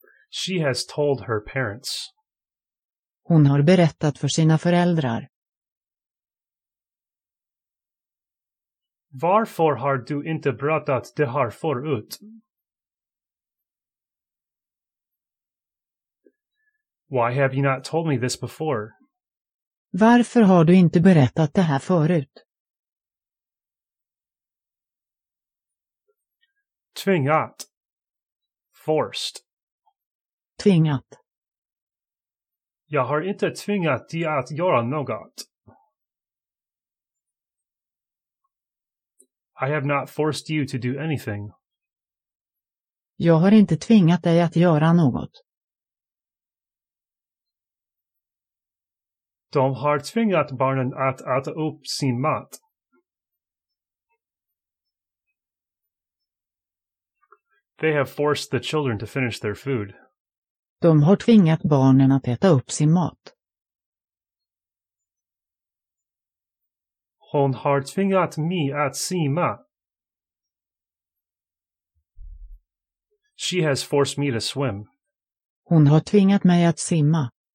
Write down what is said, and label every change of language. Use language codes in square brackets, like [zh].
[en] She has told her parents. [sv] Hon har berättat för sina föräldrar. Varför har du inte berättat det här förut? [en] Why have you not told me this before? [sv] Varför har du inte berättat det här förut? Tvingat. [en] Forced. [sv] Tvingat. Jag har inte tvingat dig att göra något. [en] I have not forced you to do anything. [sv] Jag har inte tvingat dig att göra något. De har tvingat barnen att äta upp sin mat. [en] They have forced the children to finish their food. [sv] De har tvingat barnen att äta upp sin mat. Hon har tvingat mig att simma. [en] She has forced me to swim. [sv] Hon har tvingat mig att simma.